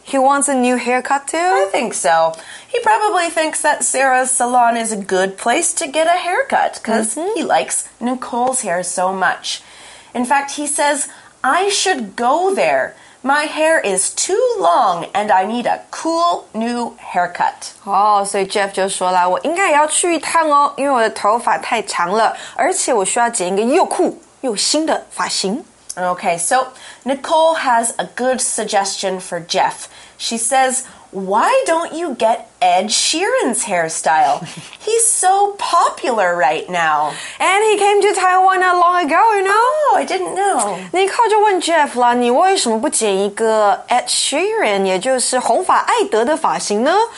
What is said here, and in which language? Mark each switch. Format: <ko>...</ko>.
<en>He wants a new haircut too? I think so. He probably thinks that Sarah's salon is a good place to get a haircut because mm-hmm. he likes Nicole's hair so much. In fact, he says, I should go there. My hair is too long and I need a cool new haircut.</en> <zh>Oh, so Jeff 就说了，我应该要去一趟哦，因为我的头发太长了，而且我需要剪一个又酷又新的发型。</zh> <en>Okay, so Nicole has a good suggestion for Jeff. She says, why don't you get Ed Sheeran's hairstyle? He's so popular right now. And he came to Taiwan not long ago, you know? Oh, I didn't know.</en> <zh>Nicole 就问 Jeff 啦，你为什么不剪一个 Ed Sheeran, 也就是红发艾德的发型呢？</zh>